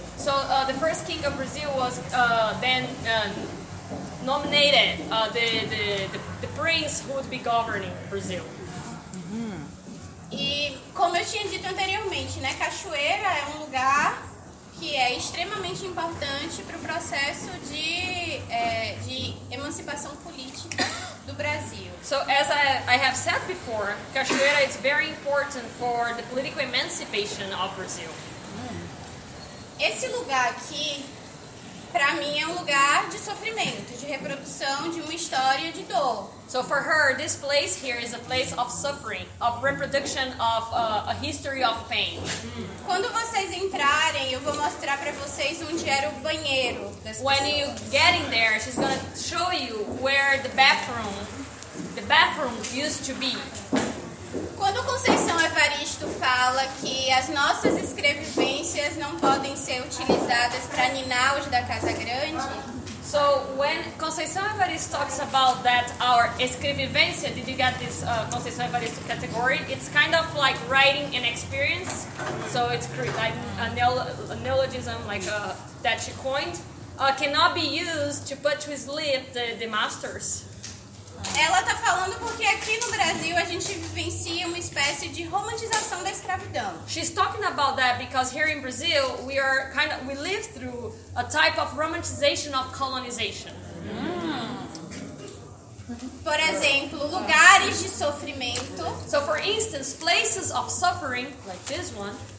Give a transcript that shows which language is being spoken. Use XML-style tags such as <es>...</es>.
<en>So the first king of Brazil was then nominated the prince who would be governing Brazil.</en> <pt>E como eu tinha dito anteriormente, né, Cachoeira é lugar que é extremamente importante para o processo de emancipação política do Brasil.</pt> <en>So as I have said before, Cachoeira is very important for the political emancipation of Brazil.</en> <pt>Esse lugar aqui, para mim, é lugar de sofrimento, de reprodução de uma história de dor.</pt> <en>So for her, this place here is a place of suffering, of reproduction of a history of pain.</en> <pt>Quando vocês entrarem, eu vou mostrar para vocês onde era o banheiro.</pt> <en>When you get in there, she's going to show you where the bathroom used to be.</en> <pt>Quando Conceição Evaristo fala que as nossas escrevivências não podem ser utilizadas para ninar os da Casa Grande...</pt> <en>So when Conceição Evaristo talks about that, our escrevivência, did you get this Conceição Evaristo category? It's kind of like writing an experience. So it's like a neologism like that she coined. Cannot be used to put to sleep the masters.</en> <pt>Ela tá falando porque aqui no Brasil a gente vivencia uma espécie de romantização da escravidão.</pt> <en>She's talking about that because here in Brazil we are kind of, we live through a type of romantization of colonization.</en> <pt>Por exemplo, lugares de sofrimento.</pt> <en>So for instance, places of suffering, like this one.</en>